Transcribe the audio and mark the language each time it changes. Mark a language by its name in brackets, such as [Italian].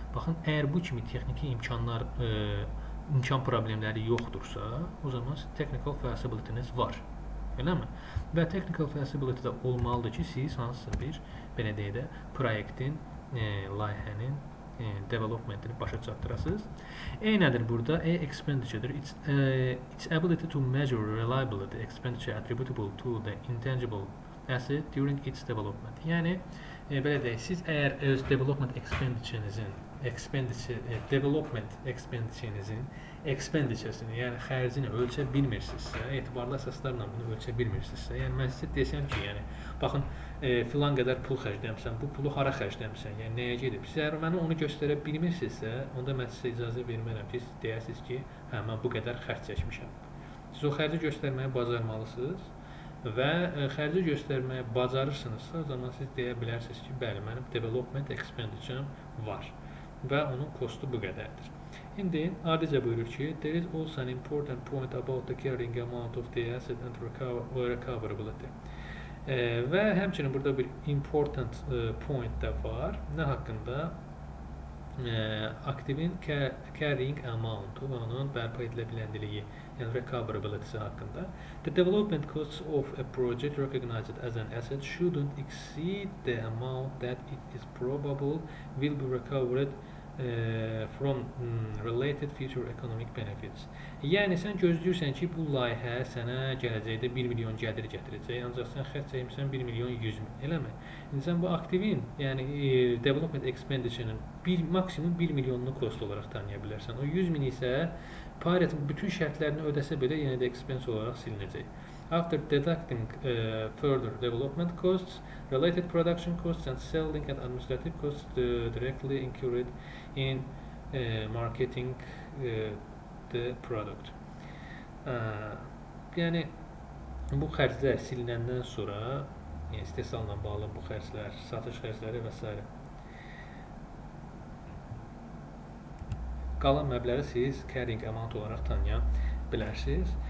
[Azerbaijani] Baxın, əgər bu kimi texniki imkanlar, imkan problemləri yoxdursa, o zaman technical feasibility-niz var. Eləmi? Və technical feasibility də olmalıdır ki, siz hansısa bir belə deyə də proyektin, layihənin developmentini başa çatdırasınız. E nədir burada? E expenditure-dir. [English] It's ability to measure reliably the expenditure attributable to the intangible asset during its development. [Azerbaijani] Yəni, belə deyək, siz əgər öz development expenditure-nizin, development expenditure-nizin expenditure'sini, yani xərcini ölçə bilmirsinizsə, etibarlı əsaslarla bunu ölçə bilmirsinizsə, yəni mən sizə desəm ki, yəni baxın, filan qədər pul xərcləmişsən, bu pulu hara xərcləmişsən, yəni nəyə gedib? Siz əgər mənə onu göstərə bilmirsinizsə, onda mən sizə icazə vermərəm ki, siz deyəsiniz ki, hə, mən bu qədər xərc çəkmişəm. Siz o xərci göstərməyi bacarmalısınız və xərci göstərməyi bacarırsınızsa, o zaman siz deyə bilərsiniz ki, bəli, mənim development expenditure'm var və onun kostu bu qədərdir. İndi ardıcə buyurur ki, [English] there is also an important point about the carrying amount of the asset and recoverability. [Azerbaijani] Və həmçinin burada bir important point də var. Nə haqqında? Aktivin carrying amount, onun bərpa edilə biləndiliyi, yəni recoverability haqqında. [English] The development costs of a project recognized as an asset shouldn't exceed the amount that it is probable will be recovered from related future economic benefits. [Azerbaijani] Yəni sən gözləyirsən ki, bu layihə sənə gələcəkdə 1 milyon gəlir gətirəcək, ancaq sən xərc çəkmişsən 1 milyon 100 min, eləmi? İndi sən bu aktivin, yəni development expenditure-nin maksimum 1 milyonunu kost olaraq tanıya bilərsən. O 100 min isə pirate bütün şərtlərini ödəsə belə yenə də expense olaraq silinəcək. [English] After deducting further development costs, related production costs and selling and administrative costs directly incurred in marketing the product. [Azerbaijani] Yəni bu xərclər silinəndən sonra, yəni istehsalla bağlı bu xərclər, satış xərcləri və s. qalan məbləği siz carrying amount olaraq tanıya bilərsiniz.